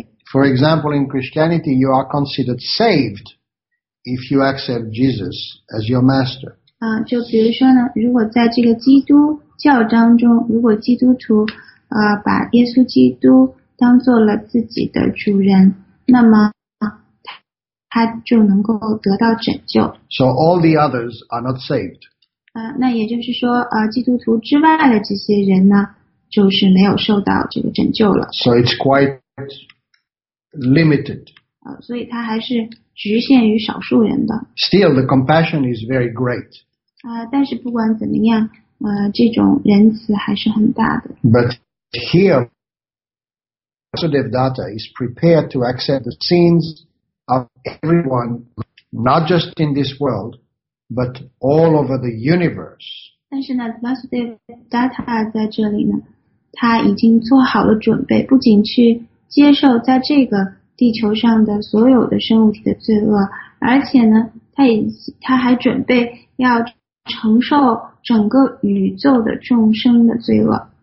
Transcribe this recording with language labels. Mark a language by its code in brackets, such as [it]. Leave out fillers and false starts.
[en] For example, in Christianity, you are considered saved if you accept Jesus as your master. [zh] 就比如说呢，如果在这个基督教当中，如果基督徒把耶稣基督当做了自己的主人，那么他就能够得到拯救。 [en] So all the others are not saved. [zh] 那也就是说，基督徒之外的这些人呢？就是没有受到这个拯救了。 [en] So it's quite limited. [zh] 所以它还是局限于少数人的。 [en] Still, the compassion is very great. [zh] 但是不管怎么样，这种仁慈还是很大的。 [en] But here, Vasudev Datta is prepared to accept the sins of everyone, not just in this world, but all over the universe. [zh] 但是呢 Vasudev Datta 在这里呢，他已经做好了准备，不仅去接受在这个地球上的所有的生物体的罪恶，而且呢，他还准备要承受整个宇宙的众生的罪恶。